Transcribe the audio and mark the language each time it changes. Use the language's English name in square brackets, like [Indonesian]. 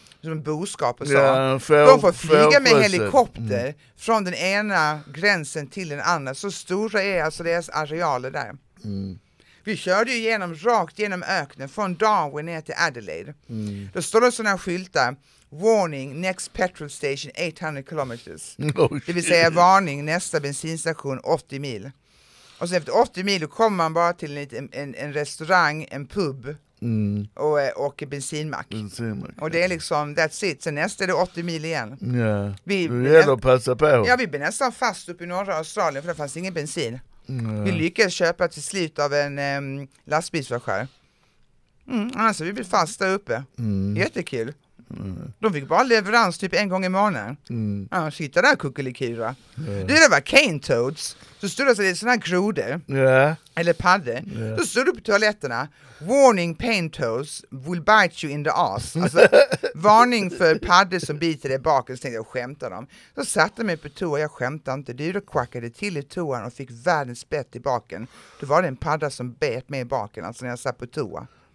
[Swedish] Som en boskap och så. Ja, de får flyga med helikopter från den ena gränsen till den andra. Så stora är alltså deras arealer där. Mm. Vi körde ju genom, rakt genom öknen från Darwin ner till Adelaide. Mm. Då står det sådana skyltar. [English] Warning, next petrol station 800 kilometers. Oh, [Swedish] det vill säga varning, nästa bensinstation 80 mil. Och så efter 80 mil kommer man bara till en restaurang, en pub. Mm. Och bensinmack. Och det är liksom, [English] that's it. [Swedish] Sen nästa är det 80 mil igen. [English] Yeah. [Swedish] Vi gäller att passa på. Ja, vi blir nästan fast upp i norra Australien för det fanns ingen bensin. [English] Yeah. [Swedish] Vi lyckades köpa till slut av en lastbilsförsäljare. Mm, alltså, vi blir fast där uppe. Mm. Jättekul. Mm. De fick bara leverans typ en gång i månaden. Mm. Annars hittade jag kuckelikura. [English] Yeah. [Swedish] Det var cane toads. Så stod det sådana här grodor. [English] Yeah. [Swedish] Eller paddor. [English] Yeah. [Swedish] Så stod det på toaletterna. [English] Warning, pain toes will bite you in the ass. [Swedish] Alltså, varning för paddor som biter dig baken. Så tänkte jag, skämtar dem. Så satte jag mig på toa. Jag skämtade inte. Du kvackade till i toan och fick världens bett i baken. Då var det en padda som bet mig i baken. Alltså när jag satt på toa.